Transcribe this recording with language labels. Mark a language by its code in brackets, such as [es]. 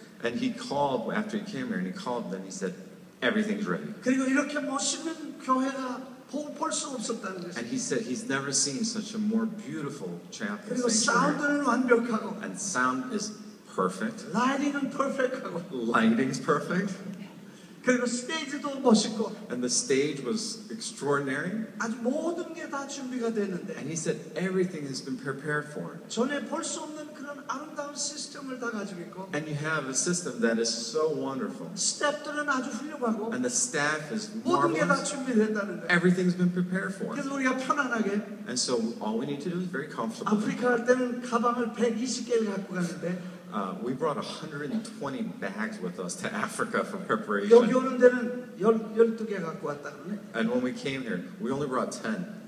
[en] And he called after he came here, and he called them. He said, everything's ready. [ko] 그리고 이렇게 멋있는 교회가 볼 수 없었다는 것입니다. [en] And he said he's never seen such a more beautiful chapel. [ko] 그리고 사운드는 완벽하고. [en] And sound is perfect. [ko] Lighting은 perfect하고. [en] Lighting's perfect. [ko] 그리고 스테이지도 멋있고. [en] And the stage was extraordinary. [ko] 아주 모든 게 다 준비가 됐는데. [en] And he said everything has been prepared for. [ko] 전에 볼 수 없는 그런 아름다운 시스템을 다 가지고 있고. [en] And you have a system that is so wonderful. [ko] 스태프들은 아주 훌륭하고. [en] And the staff is marvelous. [ko] 모든 게 다 준비됐다는데. [en] Everything's been prepared for. [ko] 그래서 우리가 편안하게. [en] And so all we need to do is very comfortable. [ko] 아프리카 할 때는 가방을 120개를 갖고 갔는데. [en] we brought 120 bags with us to Africa for preparation. [ko] 여기 오는 데는 12개 갖고 왔다 그러네. [en] And when we came here, we only brought 10.